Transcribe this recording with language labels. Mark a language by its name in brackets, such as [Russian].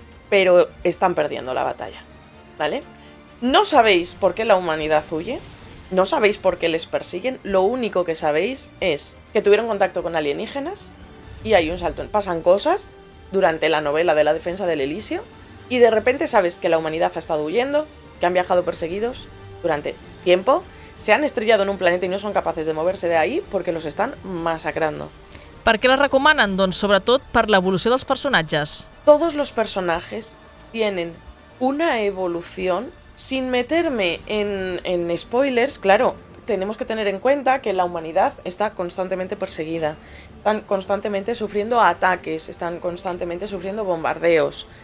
[Spanish] Pero están perdiendo la batalla, ¿vale? No sabéis por qué la humanidad huye, no sabéis por qué les persiguen, lo único que sabéis es que tuvieron contacto con alienígenas y hay un salto. Pasan cosas durante la novela de La defensa del Elisio y de repente sabes que la humanidad ha estado huyendo, que han viajado perseguidos durante tiempo, se han estrellado en un planeta y no son capaces de moverse de ahí porque los están masacrando. [Catalan] ¿Per què la recomanen? Doncs sobretot per l'evolució dels personatges. [Spanish] Todos los personajes tienen una evolución, sin meterme en spoilers, claro, tenemos que tener en cuenta que la humanidad está constantemente perseguida, están constantemente sufriendo ataques, están constantemente sufriendo bombardeos.